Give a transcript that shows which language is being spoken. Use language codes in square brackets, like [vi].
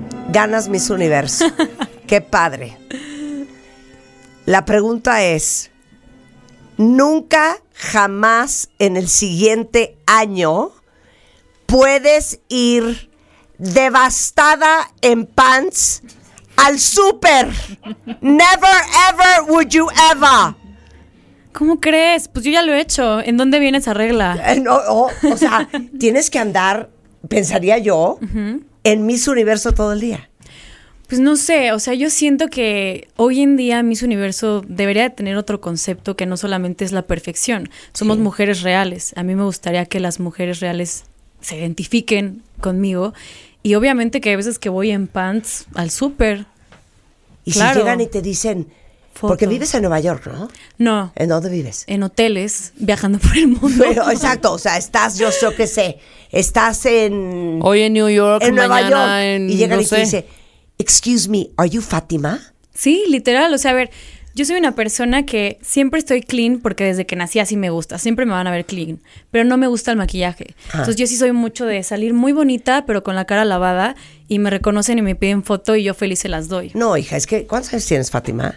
[es] Ganas Miss Universo. Qué padre. La pregunta es, ¿nunca jamás en el siguiente año puedes ir devastada en pants al súper? [en] Never ever would you ever. [es] ¿Cómo crees? Pues yo ya lo he hecho. ¿En dónde viene esa regla? No, o sea, tienes que andar, pensaría yo, en Miss Universo todo el día. Pues no sé, o sea, yo siento que hoy en día Miss Universo debería de tener otro concepto que no solamente es la perfección. Somos sí. Mujeres reales. A mí me gustaría que las mujeres reales se identifiquen conmigo. Y obviamente que hay veces que voy en pants al súper. Y claro, si llegan y te dicen... Foto. Porque vives en Nueva York, ¿no? No. ¿En dónde vives? En hoteles, viajando por el mundo. Pero, exacto, o sea, estás, yo qué sé, estás en... Hoy en New York, en Nueva mañana York, en... Y llegan no y sé. Te dicen... [en] Excuse me, are you Fátima? [es] Sí, literal, o sea, a ver, yo soy una persona que siempre estoy clean porque desde que nací así me gusta, siempre me van a ver clean, pero no me gusta el maquillaje. Ajá. Entonces yo sí soy mucho de salir muy bonita, pero con la cara lavada, y me reconocen y me piden foto y yo feliz se las doy. No, hija, es que ¿cuántos años tienes, Fátima?